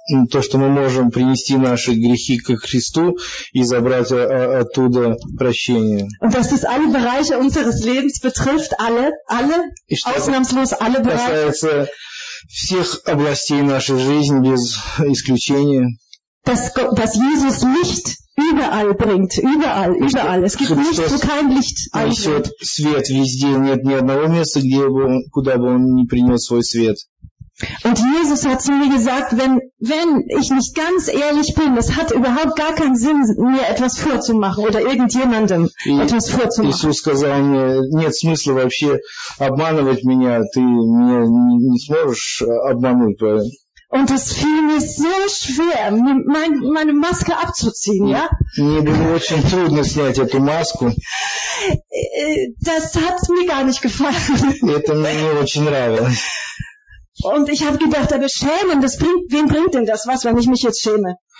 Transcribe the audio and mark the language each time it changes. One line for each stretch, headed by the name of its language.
Russian: То, что мы можем принести наши грехи ко Христу и забрать оттуда прощение.
German: Und dass das alle Bereiche unseres Lebens betrifft, alle, ausnahmslos alle Bereiche.
Russian: Касается всех областей нашей жизни без исключения.
German: Dass Jesus Licht überall bringt, überall. Es gibt nichts, wo kein Licht einsteht.
Russian: Свет везде, нет ни одного места, куда бы он не принес свой свет.
German: Und Jesus hat zu mir gesagt, wenn ich nicht ganz ehrlich bin, das hat überhaupt gar keinen Sinn, mir etwas vorzumachen oder irgendjemandem etwas vorzumachen.
Russian: Jesus сказал мне, нет смысла вообще обманывать меня, ты меня не сможешь обмануть.
German: Und es fiel mir so schwer, meine Maske abzuziehen, ja?
Russian: Мне было очень трудно снять эту маску.
German: Das hat mir gar nicht gefallen.
Russian: Это мне не очень нравилось.
German: Und ich habe gedacht, aber schämen, wen bringt denn das was, wenn ich mich jetzt schäme?